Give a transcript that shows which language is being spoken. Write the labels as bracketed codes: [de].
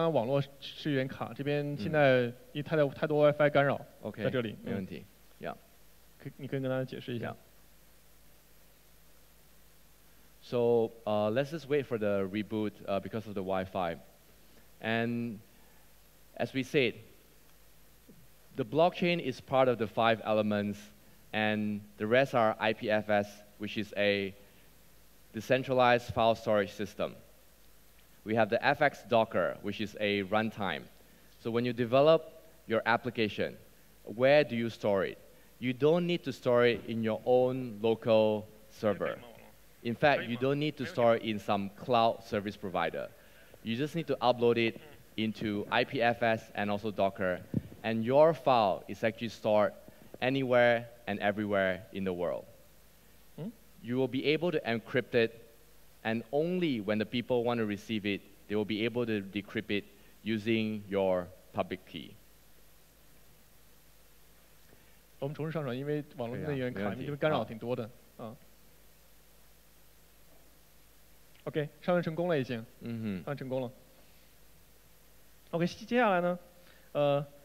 [zh] 我们重试一下上传，因为刚刚网络是有点卡，这边现在太多 WiFi 干扰。 OK，在这里，没问题。 Yeah，你可以跟大家解释一下。 Yeah. [en] So let's just wait for the reboot because of the Wi-Fi. And as we said, the blockchain is part of the five elements, and the rest are IPFS, which is a decentralized file storage system. We have the FX Docker, which is a runtime. So when you develop your application, where do you store it? You don't need to store it in your own local server. In fact, you don't need to store it in some cloud service provider. You just need to upload it into IPFS and also Docker, and your file is actually stored anywhere and everywhere in the world. You will be able to encrypt it, and only when the people want to receive it, they will be able to decrypt it using your public key. [zh] 我们重新上传，因为网络内源卡，因为干扰挺多的。 OK， 上传成功了已经。嗯哼，上传成功了。OK， 接下来呢，